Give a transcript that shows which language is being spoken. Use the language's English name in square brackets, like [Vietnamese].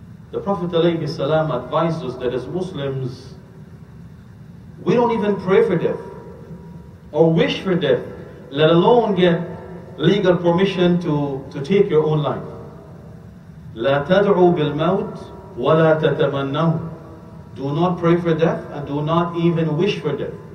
[English] The Prophet ﷺ advised us that as Muslims, we don't even pray for death or wish for death, let alone get legal permission to take your own life. [Arabic] لا تدعو بالموت ولا تتمنوا. [English] Do not pray for death and do not even wish for death.